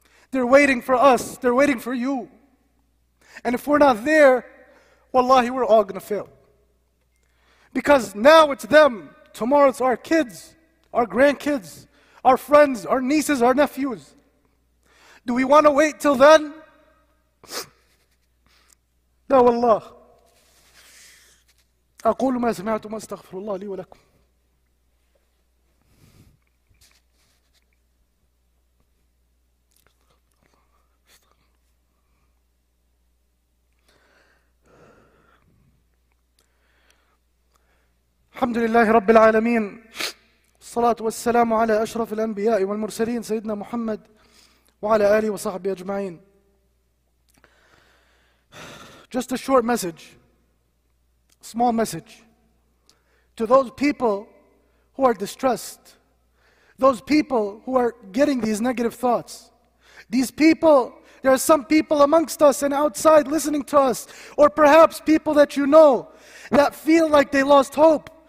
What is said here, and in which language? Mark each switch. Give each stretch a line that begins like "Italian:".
English: They're waiting for us. They're waiting for you. And if we're not there, wallahi, we're all gonna fail. Because now it's them. Tomorrow it's our kids, our grandkids, our friends, our nieces, our nephews? Do we want to wait till then?
Arabic: لا والله أقول ما سمعت ما استغفر الله لي ولكم. الحمد لله رب العالمين، الصلاة والسلام على أشرف الأنبياء والمرسلين سيدنا محمد وعلى آله وصحبه أجمعين.
English: Just a short message, small message to those people who are distressed, those people who are getting these negative thoughts, these people. There are some people amongst us and outside listening to us, or perhaps people that you know that feel like they lost hope.